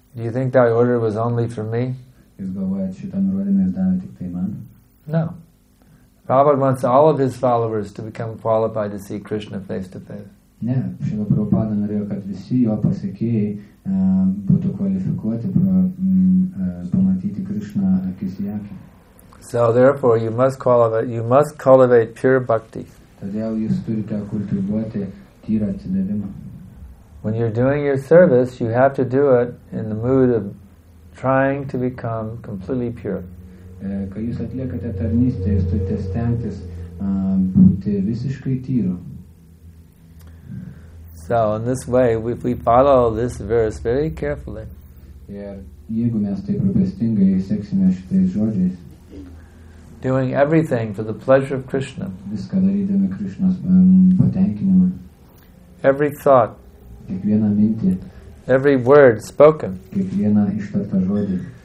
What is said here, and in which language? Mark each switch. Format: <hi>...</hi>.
<en>Do you think that order was only for me?</en> <lt>Jūs galvojat, šitą nurodymą jis davė tik tai man?</lt> <en>No. Prabhupada wants all of his followers to become qualified to see Krishna face to face.</en> <lt>Ne, Šrila Prabhupada norėjo, kad visi jo pasiekėjai būtų kvalifikuoti pamatyti Krishna akis į akį.</lt> <en>So therefore you must cultivate pure bhakti.</en> <lt>Todėl jūs turite kultivuoti tyrą atsidavimą.</lt> <en>When you're doing your service, you have to do it in the mood of trying to become completely pure.</en> <lt>Kai jūs atliekate tarnystę, jūs turite stengtis būti visiškai tyru.</lt> <en>So in this way, if we follow this verse very carefully,</en> <lt>jeigu mes taip rūpestingai seksime šitais žodžiais,</lt> <en>doing everything for the pleasure of Krishna,</en> <lt>viską darydami Krishnos patenkinimą,</lt> <en>every thought,</en> <lt>kiekvieną mintį,</lt> <en>every word spoken,</en> <lt>kiekvieną ištartą žodį,</lt>